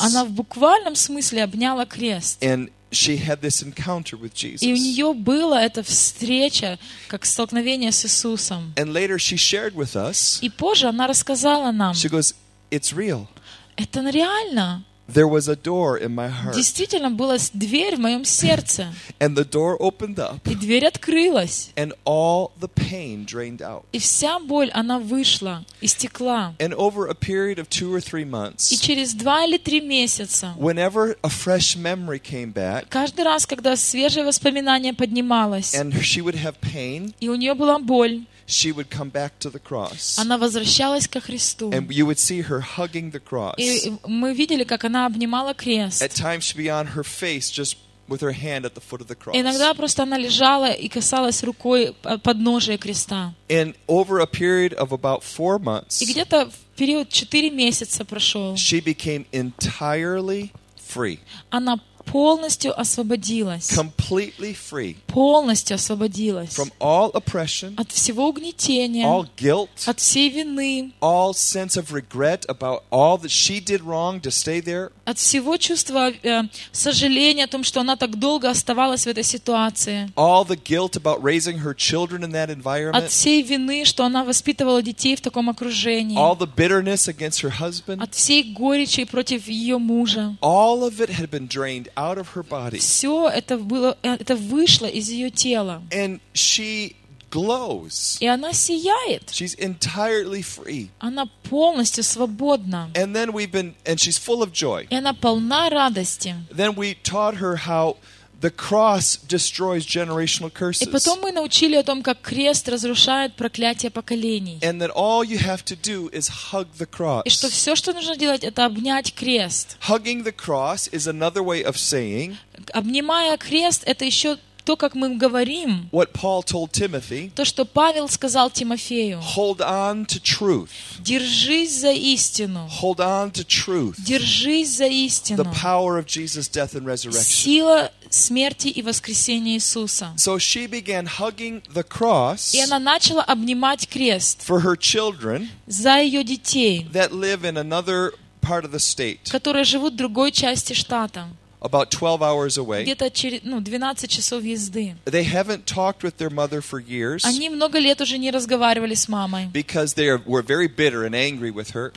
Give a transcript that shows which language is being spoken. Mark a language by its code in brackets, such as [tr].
[ru] Она в буквальном смысле обняла крест. [en] And she had this encounter with Jesus. [ru] И у неё была эта встреча, как столкновение с Иисусом. [en] And later she shared with us. [ru] И позже она рассказала нам. [en] She goes, "It's real." [ru] Это реально. [en] There was a door in my heart. [ru] Действительно была дверь в моём сердце. [en] And the door opened up. [ru] И дверь открылась. [en] And all the pain drained out. [ru] И вся боль она вышла, истекла. [en] And over a period of 2 or 3 months. [ru] И через 2 или 3 месяца. [en] Whenever a fresh memory came back. [ru] Каждый раз, когда свежее воспоминание поднималось. [en] And she would have pain. [ru] И у неё была боль. [en] She would come back to the cross. [ru] Она возвращалась ко Христу. [en] And you would see her hugging the cross. [ru] И мы видели, как она обнимала крест. [en] At times she'd be on her face just with her hand at the foot of the cross. [ru] Иногда просто она лежала и касалась рукой подножия креста. [en] And over a period of about 4 months. [ru] И где-то в период 4 месяца прошёл. [en] She became entirely free. [ru] Она полностью освободилась. [en] Completely free. [ru] Полностью освободилась. [en] From all oppression. [ru] От всего угнетения. [en] All guilt. [ru] От всей вины. [en] All sense of regret about all that she did wrong to stay there. [ru] От всего чувства сожаления о том, что она так долго оставалась в этой ситуации. [en] All the guilt about raising her children in that environment. [ru] От всей вины, что она воспитывала детей в таком окружении. [en] All the bitterness against her husband. [ru] От всей горечи против её мужа. [en] All of it had been drained out of her body. [ru] Всё это было это вышло из её тела. [en] And she glows. [ru] И она сияет. [en] She's entirely free. [ru] Она полностью свободна. [en] And then we've been and she's full of joy. [ru] И она полна радости. [en] Then we taught her how the cross destroys generational curses. [ru] И потом мы научили о том, как крест разрушает проклятия поколений. [en] And that all you have to do is hug the cross. [ru] И что всё, что нужно делать, это обнять крест. [en] Hugging the cross is another way of saying. [ru] Обнимая крест это ещё то, как мы говорим. [en] What Paul told Timothy. [ru] То, что Павел сказал Тимофею. [en] Hold on to truth. [ru] Держись за истину. [en] Hold on to truth. [ru] Держись за истину. [en] The power of Jesus' death and resurrection. [ru] Сила смерти и воскресения Иисуса. [en] So she began hugging the cross. [ru] И она начала обнимать крест. [en] For her children. [ru] За её детей. [en] That live in another part of the state. [ru] Которые живут в другой части штата. [en] About 12 hours away. [ru] Где-то через, ну, 12 часов езды. [en] They haven't talked with their mother for years. [ru] Они много лет уже не разговаривали с мамой. [en] Because they were very bitter and angry with her.